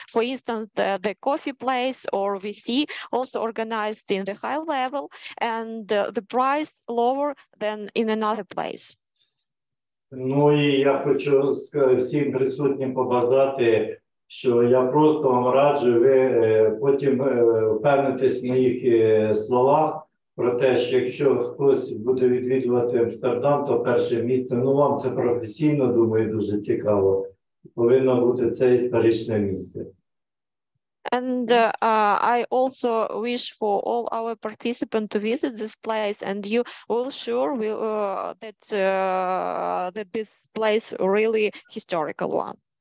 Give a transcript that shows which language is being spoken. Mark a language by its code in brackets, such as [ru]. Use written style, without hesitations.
[en] For instance, the coffee place or VC also organized in the high level, and the price lower than in another place. [uk] Ну і я хочу всім присутнім побажати, що я просто вам раджу, ви потім впевнитесь в моїх словах про те, що якщо хтось буде відвідувати Амстердам, то перше місце, ну вам це професійно, думаю, дуже цікаво, повинно бути це історичне місце. [en] And I also wish for all our participants to visit this place, and you will sure will, that this place really historical one.